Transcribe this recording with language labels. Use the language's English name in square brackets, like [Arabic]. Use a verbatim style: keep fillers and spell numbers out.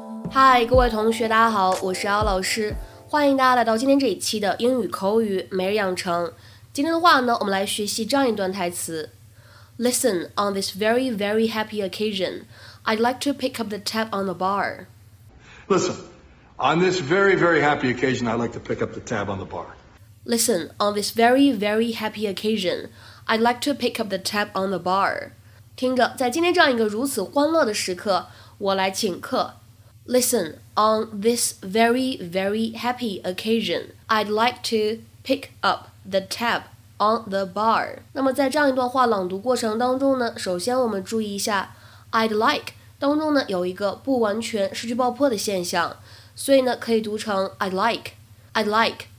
[Chinese] 嗨，各位同学，大家好，我是敖老师，欢迎大家来到今天这一期的英语口语每日养成。今天的话呢，我们来学习这样一段台词。 [English] Listen, on this very, very happy occasion, I'd like to pick up the tab on the bar. Listen, on this very, very happy occasion, I'd like to pick up the tab on the bar. Listen, on this very, very happy occasion, I'd like to pick up the tab on the bar. [Chinese] 听着，在今天这样一个如此欢乐的时刻，我来请客。 [English] Listen, on this very, very happy occasion, I'd like to pick up the tab on the bar. [Chinese] 那么在这样一段话朗读过程当中呢，首先我们注意一下 I'd like 当中呢有一个不完全失去爆破的现象，所以呢可以读成 I'd like, I'd like.